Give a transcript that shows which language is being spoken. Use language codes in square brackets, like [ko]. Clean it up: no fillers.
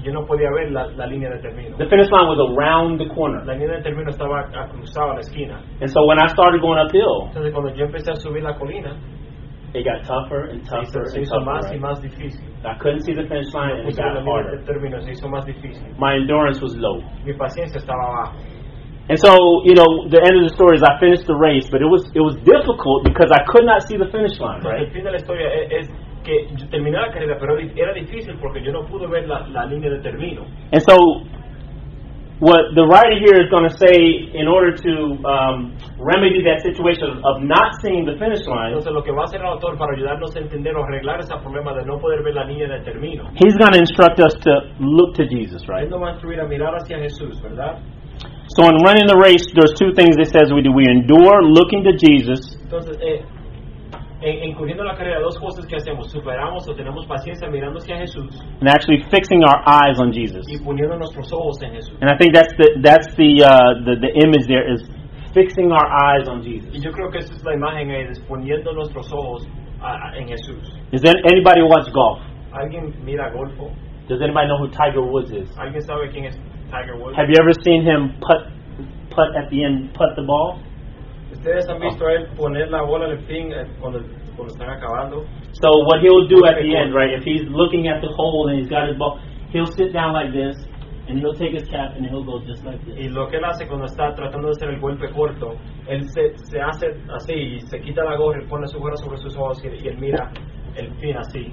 [es] Yo no podía ver la línea de término. [en] The finish line was around the corner. [es] La línea de término estaba cruzada la esquina. [en] And so when I started going uphill, [es] entonces cuando yo empecé a subir la colina, [en] it got tougher and tougher [es] se hizo [en] and tougher. [es] Más y más difícil. [en] I couldn't see the finish line and it got [es] la [en] harder. [es] Línea de término se hizo más difícil. [en] My endurance was low. [es] Mi paciencia estaba baja. [en] And so, you know, the end of the story is I finished the race, but it was difficult because I could not see the finish line, right? [es] El fin de la historia es que yo terminé la carrera, pero era difícil porque yo no pude ver la línea de término. [en] And so, what the writer here is going to say in order to remedy that situation of not seeing the finish line. [es] Entonces, lo que va a hacer el autor para ayudarnos a entender o arreglar ese problema de no poder ver la línea de término. [en] He's going to instruct us to look to Jesus, right? [es] Él nos va a instruir a mirar hacia Jesús, ¿verdad? [en] So in running the race, there's two things it says we do. We endure looking to Jesus. [es] Entonces, en corriendo la carrera, dos cosas que hacemos. Superamos o tenemos paciencia mirando hacia Jesús. [en] And actually fixing our eyes on Jesus. [es] Y poniendo nuestros ojos en Jesús. [en] And I think that's the image there is fixing our eyes on Jesus. [es] Y yo creo que esa es la imagen, es poniendo nuestros ojos en Jesús. [en] Is there anybody who watches golf? [es] ¿Alguien mira golfo? [en] Does anybody know who Tiger Woods is? [es] ¿Alguien sabe quién es Tiger Woods? [en] Have you ever seen him putt at the end, putt the ball? [es] ¿Ustedes han visto a él poner la bola en el pin cuando están acabando? [en] So what he'll do at the end, right, if he's looking at the hole and he's got his ball, he'll sit down like this, and he'll take his cap and he'll go just like this. [es] Y lo que él hace cuando está tratando de hacer el golpe corto, él se hace así, y se quita la gorra y pone su gorra sobre sus ojos y él mira el pin así.